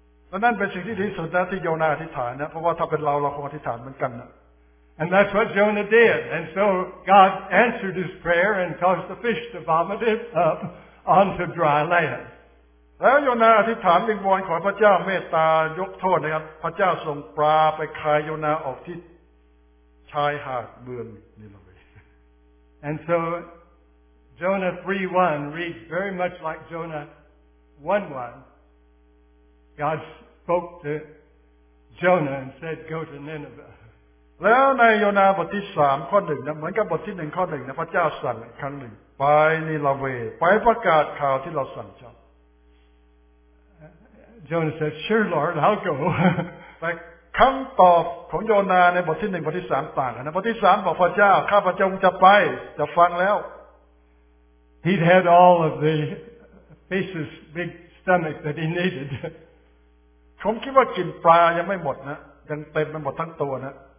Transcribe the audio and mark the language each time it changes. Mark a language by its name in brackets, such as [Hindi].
[Thai] ดังนั้นเป็นสิ่งที่ดีสุดนะที่โยนาอธิษฐานนะเพราะว่าถ้าเป็นเราเราคงอธิษฐานเหมือนกันนะ [English] And that's what Jonah did. And so God answered his prayer and caused the fish to vomit it up onto dry land. [Thai] แล้วโยนาอธิษฐานวิงวอนขอพระเจ้าเมตตายกโทษนะครับพระเจ้าส่งปลาไปคายโยนาออกที่ชายหาดเมืองนีนาเว [English] And so Jonah 3:1 reads very much like Jonah 1:1. God spoke to Jonah and said, "Go to Nineveh." [Thai] แล้วในโยนาบทที่3ข้อ1นะเหมือนกับบทที่1ข้อ1นะพระเจ้าสั่งครั้งหนึ่งไปนีนาเวไปประกาศข่าวที่เราสั่งเจ้า [English] Jonah said sure lord I'll go [Thai] แต่คำตอบของโยนาในบทที่1บทที่3ต่างกันนะบทที่3บอกพระเจ้าข้าพระเจ้าจะไปจะฟังแล้ว [English] He had all of the fish's big stomach that he needed [Thai] ผมคิดว่ากินปลายังไม่หมดนะยังเต็มไปหมดทั้งตัวนะ